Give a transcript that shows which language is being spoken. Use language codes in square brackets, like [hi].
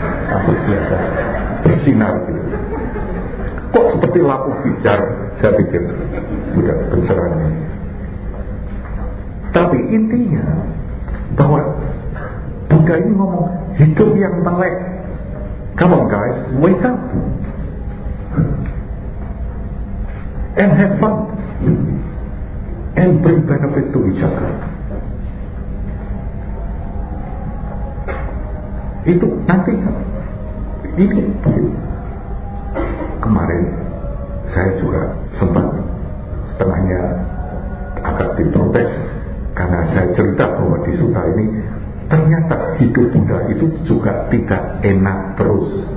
[id] Aku biasa bersinar gitu. Kok seperti lampu pijar, saya pikir Buddha pencerahannya. Tapi intinya bahwa Buddha ini ngomong hidup yang melek. [en] Come on guys, wake up and have fun and bring benefit to each other. [id] Itu nanti ini kemarin saya juga sempat setengahnya agak diprotes karena saya cerita bahwa di Suta ini ternyata hidup Buddha itu juga tidak enak terus.